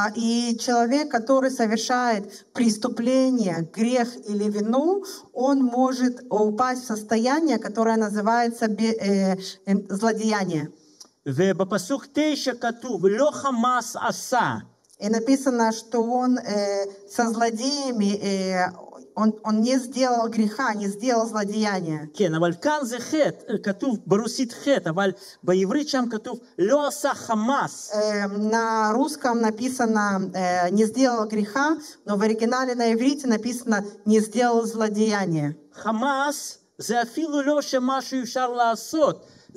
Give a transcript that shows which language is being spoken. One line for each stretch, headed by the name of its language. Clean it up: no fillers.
Russian: И человек, который совершает преступление, грех или вину, он может упасть в состояние, которое называется злодеяние.
Hebrew: ובפסוק 9 כתוב, לא חמאס עשה.
Russian: И написано, что он со злодеями, он не сделал греха, не сделал злодеяния.
Hebrew: כן, אבל כאן זה חטא, כתוב ברוסית חטא, אבל בעברית שם כתוב לא עשה חמאס.
Russian: На русском написано не сделал греха, но в оригинале на иврите написано не сделал злодеяния.
Hebrew: חמאס זה אפילו לא שמשהו אפשר לעשות.